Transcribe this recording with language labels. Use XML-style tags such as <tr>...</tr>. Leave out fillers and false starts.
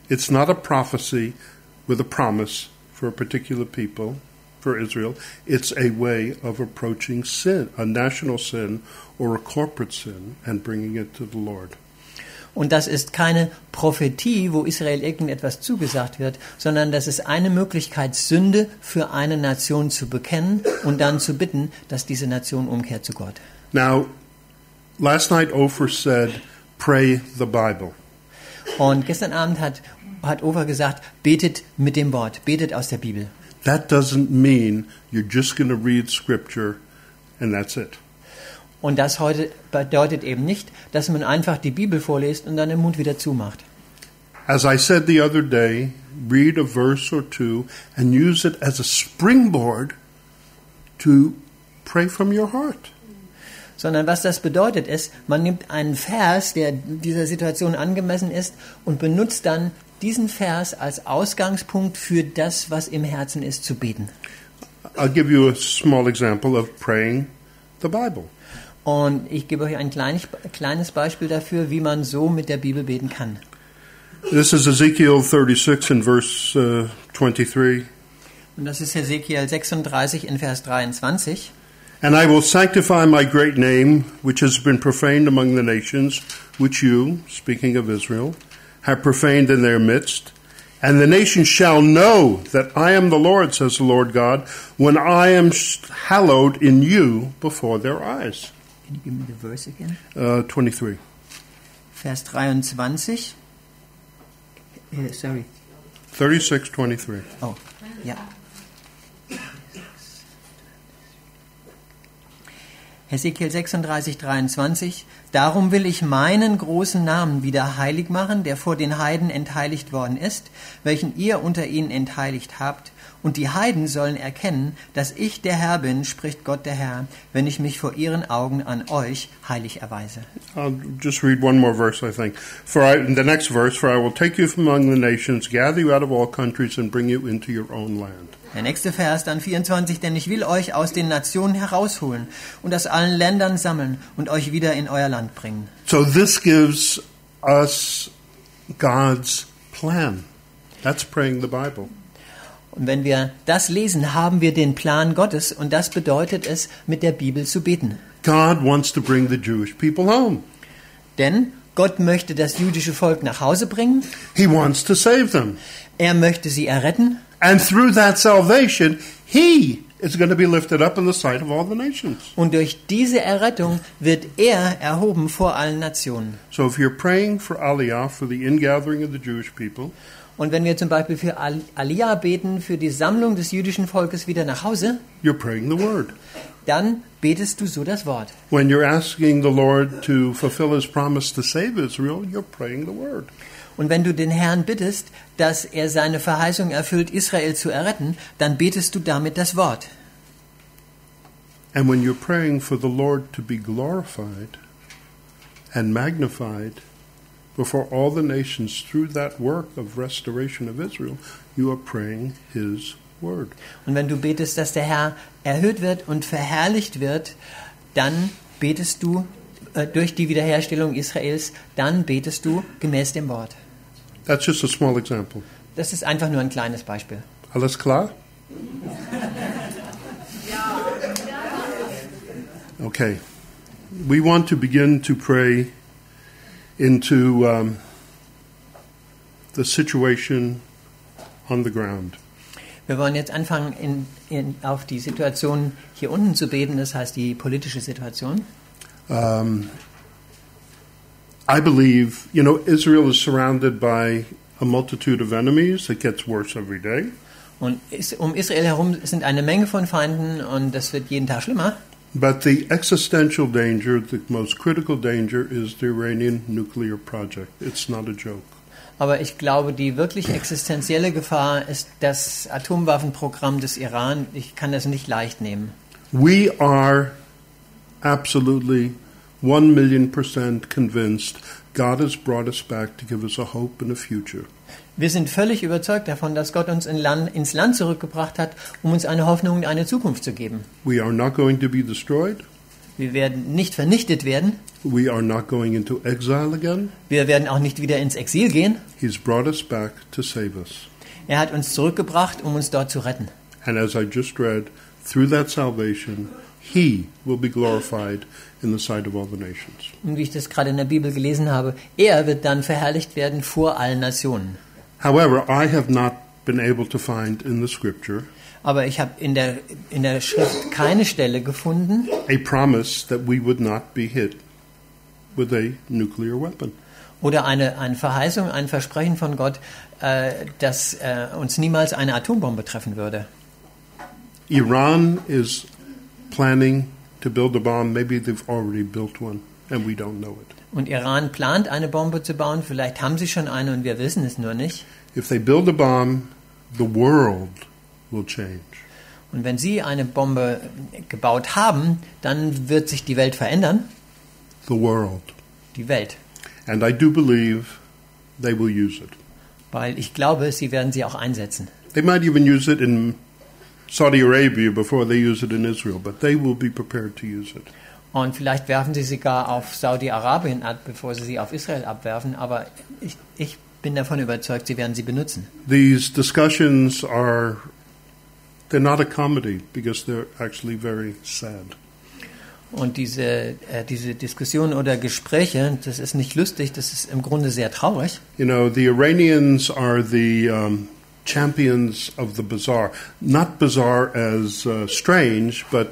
<en>It's not a prophecy with a promise for a particular people, for Israel. It's a way of approaching sin, a national sin or a corporate sin, and bringing it to the Lord.</en> <de>Und das ist keine Prophetie, wo Israel irgendetwas zugesagt wird, sondern das ist eine Möglichkeit, Sünde für eine Nation zu bekennen und dann zu bitten, dass diese Nation umkehrt zu Gott.</de> <en>Now, last night Ofer said, pray the Bible.</en> <de>Und gestern Abend hat Ofer gesagt, betet mit dem Wort, betet aus der Bibel.</de> <en>That doesn't mean you're just going to read scripture and that's it.</en> <de>Und das heute bedeutet eben nicht, dass man einfach die Bibel vorliest und dann den Mund wieder zumacht.</de> <en>As I said the other day, read a verse or two and use it as a springboard to pray from your heart.</en> <de>Sondern was das bedeutet ist, man nimmt einen Vers, der dieser Situation angemessen ist und benutzt dann diesen Vers als Ausgangspunkt für das, was im Herzen ist, zu beten.</de> <en>I'll give you a small example of praying the Bible.</en> <de>Und ich gebe euch ein kleines Beispiel dafür, wie man so mit der Bibel beten kann.</de> <en>This is Ezekiel 36 in verse 23.</en> <de>Und das ist Ezekiel 36 in Vers 23.</de> <en>And I will sanctify my great name, which has been profaned among the nations, which you, speaking of Israel, have profaned in their midst. And the nation shall know that I am the Lord, says the Lord God, when I am hallowed in you before their eyes. Can you give me the verse again? 23.</en> <de>Vers 23.</de> <en>Sorry. 36, 23. Oh, yeah.</en> <de>Hesekiel 36, 23, darum will ich meinen großen Namen wieder heilig machen, der vor den Heiden entheiligt worden ist, welchen ihr unter ihnen entheiligt habt. Und die Heiden sollen erkennen, dass ich der Herr bin, spricht Gott der Herr, wenn ich mich vor ihren Augen an euch heilig erweise.</de> <en>I'll just read one more verse, I think. For I will take you from among the nations, gather you out of all countries and bring you into your own land.</en> <de>Der nächste Vers, dann 24, denn ich will euch aus den Nationen herausholen und aus allen Ländern sammeln und euch wieder in euer Land bringen.</de> <en>So this gives us God's plan. That's praying the Bible.</en> <de>Und wenn wir das lesen, haben wir den Plan Gottes und das bedeutet es, mit der Bibel zu beten.</de> <en>God wants to bring the Jewish people home.</en> <de>Denn Gott möchte das jüdische Volk nach Hause bringen.</de> <en>He wants to save them.</en> <de>Er möchte sie erretten.</de> <en>And through that salvation, he is going to be lifted up in the sight of all the nations.</en> <de>Und durch diese Errettung wird erhoben vor allen Nationen.</de> <en>So if you're praying for Aliyah, for the ingathering of the Jewish people,</en> <de>und wenn wir zum Beispiel für Aliyah beten, für die Sammlung des jüdischen Volkes wieder nach Hause,</de> <en>you're praying the word.</en> <de>Dann betest du so das Wort.</de> <en>When you're asking the Lord to fulfill his promise to save Israel, you're praying the word.</en> <de>Und wenn du den Herrn bittest, dass er seine Verheißung erfüllt, Israel zu erretten, dann betest du damit das Wort.</de> <en>And when you're praying for the Lord to be glorified and magnified before all the nations through that work of restoration of Israel, you are praying his word.</en> <de>Und wenn du betest, dass der Herr erhöht wird und verherrlicht wird, dann betest du durch die Wiederherstellung Israels, dann betest du gemäß dem Wort.</de> <en>That's just a small example.</en> <de>Das ist einfach nur ein kleines Beispiel. Alles klar? Ja.</de> <en>Okay. We want to begin to pray into the situation on the ground.</en> <de>Wir wollen jetzt anfangen, auf die Situation hier unten zu beten, das heißt die politische Situation.</de> <en>I believe, you know, Israel is surrounded by a multitude of enemies. It gets worse every day.</en> <de>Und Israel herum sind eine Menge von Feinden und das wird jeden Tag schlimmer.</de> <en>But the existential danger, the most critical danger, is the Iranian nuclear project. It's not a joke.</en> <de>Aber ich glaube, die wirklich existenzielle Gefahr ist das Atomwaffenprogramm des Iran. Ich kann das nicht leicht nehmen.</de> <en>We are absolutely 1,000,000% convinced God has brought us back to give us a hope and a future.</en> <de>Wir sind völlig überzeugt davon, dass Gott uns ins Land zurückgebracht hat, um uns eine Hoffnung und eine Zukunft zu geben.</de> <en>We are not going to be destroyed.</en> <de>Wir werden nicht vernichtet werden.</de> <en>We are not going into exile again.</en> <de>Wir werden auch nicht wieder ins Exil gehen.</de> <en>He's brought us back to save us.</en> <de>Er hat uns zurückgebracht, um uns dort zu retten.</de> <en>And as I just read, through that salvation, he will be glorified in the sight of all the nations.</en> <de>Und wie ich das gerade in der Bibel gelesen habe, wird dann verherrlicht werden vor allen Nationen.</de> <en>However, I have not been able to find in the scripture.</en> <de>Aber ich habe in der Schrift keine Stelle gefunden.</de> <en>A promise that we would not be hit with a nuclear weapon.</en> <de>Oder eine Verheißung, ein Versprechen von Gott, dass uns niemals eine Atombombe treffen würde.</de> <en>Iran is planning to build a bomb. Maybe they've already built one and we don't know it.</en> <de>Und Iran plant eine Bombe zu bauen, vielleicht haben sie schon eine und wir wissen es nur nicht.</de> <en>If they build a bomb, the world will change.</en> <de>Und wenn sie eine Bombe gebaut haben, dann wird sich die Welt verändern.</de> <en>The world.</en> <de>Die Welt.</de> <en>And I do believe they will use it.</en> <de>Weil ich glaube, sie werden sie auch einsetzen.</de> <en>They might even use it in Saudi Arabia before they use it in Israel, but they will be prepared to use it.</en> <de>Und vielleicht werfen sie sogar auf Saudi-Arabien ab, bevor sie sie auf Israel abwerfen, aber ich bin davon überzeugt, sie werden sie benutzen.</de> <en>These discussions are, they're not a comedy, because they're actually very sad.</en> <de>Und diese Diskussionen oder Gespräche, das ist nicht lustig, das ist im Grunde sehr traurig.</de> <en>You know, the Iranians are the champions of the bizarre, not bizarre as strange, but</en>